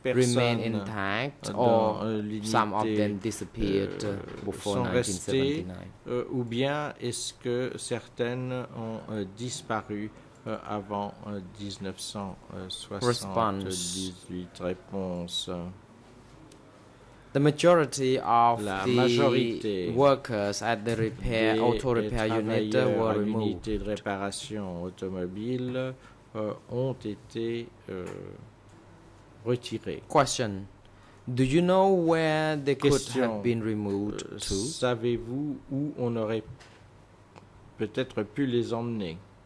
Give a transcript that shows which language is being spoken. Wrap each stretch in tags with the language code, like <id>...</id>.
<en>remain intact or some of them disappeared before 1979?</en> <fr>Restées, ou bien est-ce que certaines ont disparu avant 1978. Réponse.</fr> <en>The majority of</en> <fr>la</fr> <en>the workers at the repair auto repair unit were removed.</en> <fr>Les de réparation automobile ont été retirés.</fr> <en>Question. Do you know where they could have been removed to?</en> <fr>Savez-vous où on aurait peut-être pu les emmener?</fr>